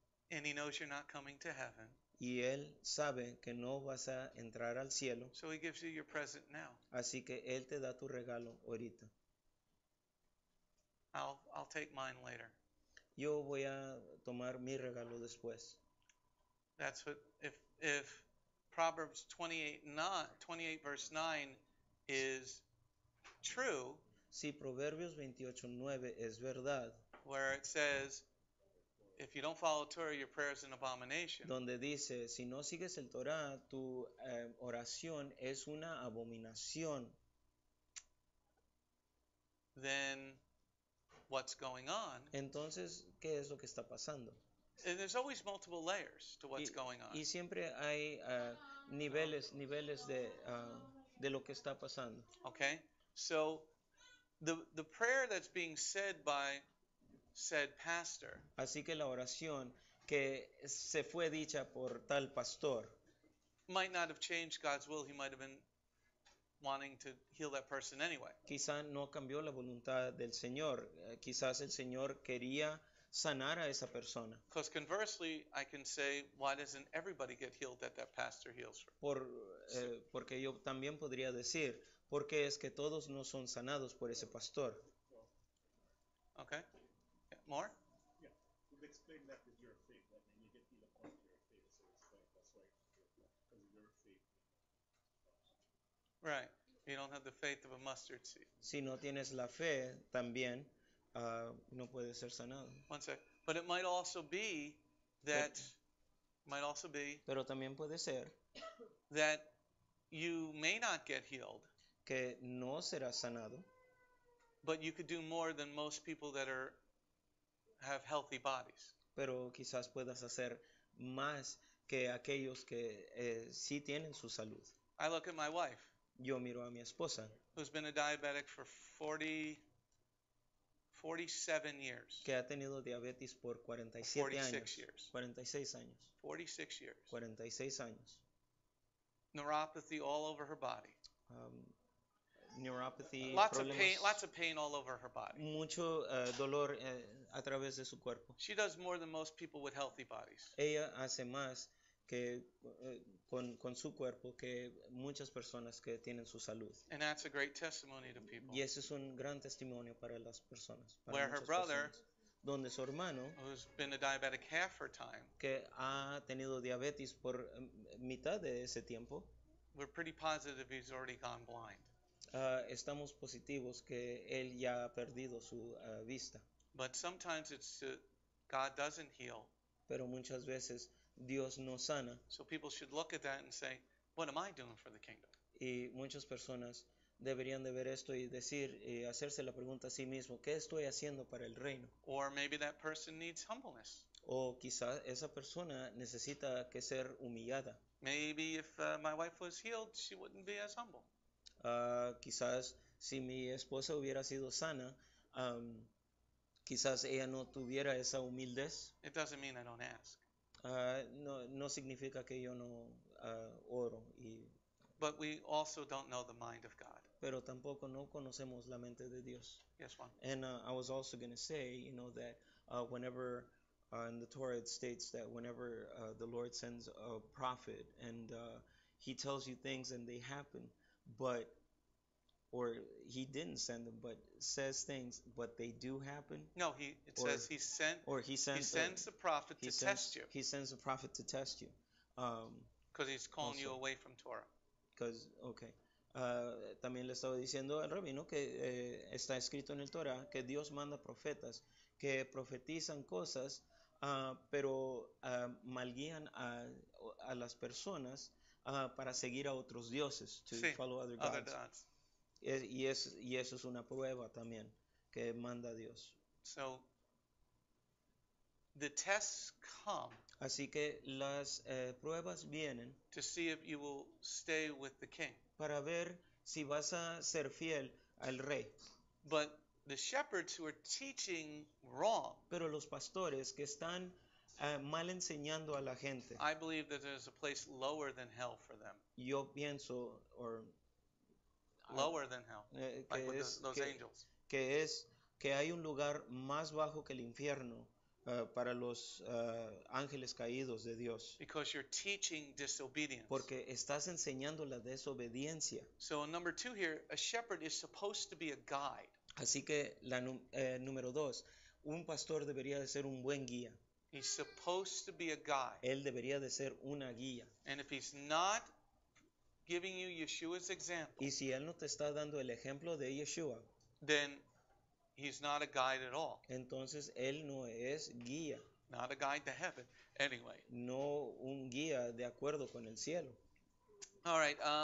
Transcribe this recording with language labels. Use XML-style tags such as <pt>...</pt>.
<en>And he knows you're not coming to heaven.</en> <es>Y él sabe que no vas a entrar al cielo.</es> <en>So he gives you your present now.</en> <es>Así que él te da tu regalo ahorita.</es> <en>I'll take mine later.</en> <es>Yo voy a tomar mi regalo después.</es> <en>That's what, if Proverbs 28 verse 9 is true.</en> <es>Si Proverbios 28:9 es verdad.</es> <en>Where it says, if you don't follow Torah, your prayer is an abomination.</en> <es>Donde dice, si no sigues el Torah, tu oración es una abominación.</es> <en>Then, what's going on?</en> <es>Entonces, ¿qué es lo que está pasando?</es> <en>And there's always multiple layers to what's going on.</en> <es>Y siempre hay niveles de lo que está pasando.</es> <en>Okay, so the prayer that's being said by said pastor.</en> <es>Así que la oración que se fue dicha por tal pastor</es> <en>might not have changed God's will. He might have been wanting to heal that person anyway.</en> <es>Quizá no cambió la voluntad del Señor. Quizás el Señor quería sanar a esa persona.</es> <en>Because conversely, I can say, why doesn't everybody get healed that pastor heals for?</en> <es>Porque yo también podría decir, ¿por qué es que todos no son sanados por ese pastor?</es> <en>Okay. More? Yeah. We've explained that with your faith. I mean, you get the point of your faith. So it's like, that's why because of your faith. Right. You don't have the faith of a mustard seed.</en> <es>Si no tienes la fe, también, no puedes ser sanado.</es> <en>One sec. But it might also be that,</en> <es>pero también puede ser</es> <en>that you may not get healed.</en> <es>Que no serás sanado.</es> <en>But you could do more than most people that are have healthy bodies.</en> <es>Pero quizás puedas hacer más que aquellos que sí tienen su salud.</es> <en>I look at my wife.</en> <es>Yo miro a mi esposa.</es> <en>Who's been a diabetic for 47 years.</en> <es>Que ha tenido diabetes por 47 años.</es> <en>46 years.</en> <es>46 años.</es> <en>46 years.</en> <es>46 años.</es> <en>Neuropathy all over her body. Neuropathy, lots of pain all over her body.</en> <es>Mucho dolor a través de su cuerpo.</es> <en>She does more than most people with healthy bodies.</en> <es>Ella hace más que con su cuerpo que muchas personas que tienen su salud.</es> <en>And that's a great testimony to people.</en> <es>Y ese es un gran testimonio para las personas. Para</es> <en>where her brother,</en> <es>personas, donde su hermano,</es> <en>who's been a diabetic half her time,</en> <es>que ha tenido diabetes por mitad de ese tiempo,</es> <en>we're pretty positive he's already gone blind.</en> <es>Estamos positivos que él ya ha perdido su vista.</es> <en>But sometimes it's God doesn't heal.</en> <es>Pero muchas veces Dios no sana.</es> <en>So people should look at that and say, what am I doing for the kingdom?</en> <es>Y muchas personas deberían de ver esto y decir y hacerse la pregunta a sí mismo, ¿qué estoy haciendo para el reino?</es> <en>Or maybe that person needs humbleness.</en> <es>O quizá esa persona necesita que ser humillada.</es> <en>Maybe if my wife was healed, she wouldn't be as humble.</en> <es>Quizás si mi esposa hubiera sido sana, quizás ella no tuviera esa humildad.</es> <en>It doesn't mean I don't ask.</en> <es>No significa que yo no oro.</es> <en>But we also don't know the mind of God.</en> <es>Pero tampoco no conocemos la mente de Dios.</es> <en>Yes, Juan. And I was also going to say, you know, that whenever in the Torah it states that whenever the Lord sends a prophet and he tells you things and they happen. But or he didn't send them, but says things, but they do happen. No, he sends the prophet to test you. He sends a prophet to test you. Because he's calling also, you away from Torah. Because, okay.</en> <es>También le estaba diciendo al rabino que está escrito en el Torah que Dios manda profetas que profetizan cosas, pero malguían a las personas para seguir a otros dioses,</es> <en>follow other gods.</en> <es>Y eso es una prueba también que manda Dios.</es> <en>So, the tests come.</en> <es>Así que las pruebas vienen.</es> <en>To see if you will stay with the king.</en> <es>Para ver si vas a ser fiel al rey.</es> <en>But the shepherds who are teaching wrong.</en> <es>Pero los pastores que están mal enseñando a la gente.</es> <en>I believe that there's a place lower than hell for them.</en> <es>Yo pienso, or</es> <en>lower than hell, like with those angels.</en> <es>Que es que hay un lugar más bajo que el infierno para los ángeles caídos de Dios.</es> <en>Because you're teaching disobedience.</en> <es>Porque estás enseñando la desobediencia.</es> <en>So number two here, a shepherd is supposed to be a guide.</en> <es>Así que la número dos, un pastor debería de ser un buen guía.</es> <en>He's supposed to be a guide.</en> <es>Él debería de ser una guía.</es> <en>And if he's not giving you Yeshua's example,</en> <es>y si él no te está dando el ejemplo de Yeshua,</es> <en>then he's not a guide at all.</en> <es>Entonces él no es guía.</es> <en>Not a guide to heaven, anyway.</en> <es>No un guía de acuerdo con el cielo.</es> <en>All right.</en>